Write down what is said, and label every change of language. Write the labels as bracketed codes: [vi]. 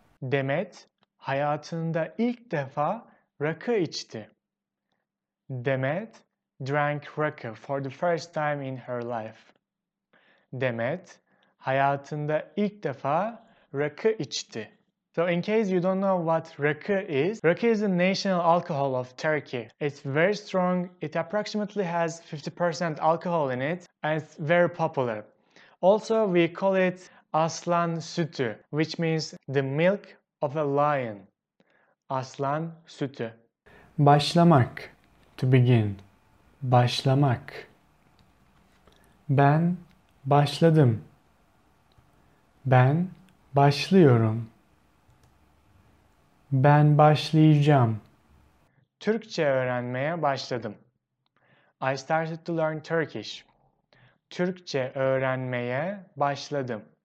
[tr] Demet hayatında ilk defa rakı içti. [en] Demet drank rakı for the first time in her life. [tr] Demet hayatında ilk defa rakı içti. [en] So in case you don't know what rakı is the national alcohol of Turkey. It's very strong. It approximately has 50% alcohol in it and it's very popular. Also, we call it aslan sütü, which means the milk of a lion. [tr] Aslan sütü. [en] Başlamak, to begin. Başlamak. [tr] Ben başladım. Ben başlıyorum. Ben başlayacağım. Türkçe öğrenmeye başladım. [en] I started to learn Turkish. [tr] Türkçe öğrenmeye başladım.